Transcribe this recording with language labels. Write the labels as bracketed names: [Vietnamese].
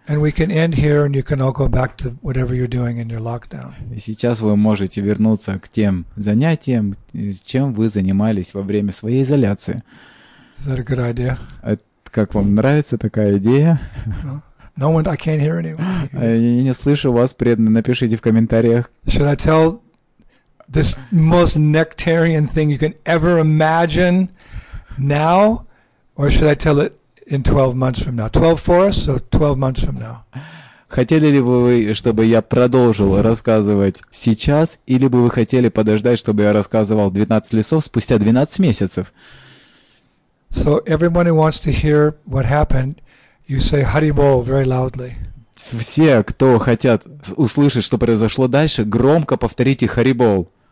[English] And we can end here and you can all go back to whatever you're doing in your lockdown. [Russian] И сейчас вы можете вернуться к тем занятиям, чем вы занимались во время своей изоляции. [English] Is that a good idea? [Russian] Как вам нравится такая идея? [English] Well, No one, I can't hear anyone. [Russian] Я не слышу вас, преданные. Напишите в комментариях. [English] Should I tell this most nectarian thing you can ever imagine now, or should I tell it in 12 months from now? 12 for us, so 12 months from now. [Russian] Хотели ли бы вы, чтобы я продолжил рассказывать сейчас, или бы вы хотели подождать, чтобы я рассказывал 12 лесов спустя 12 месяцев? [English] So everyone who wants to hear what happened, you say Hari Bol very loudly. [Russian] Все, кто хотят услышать, что произошло дальше, громко повторите Hari Bol.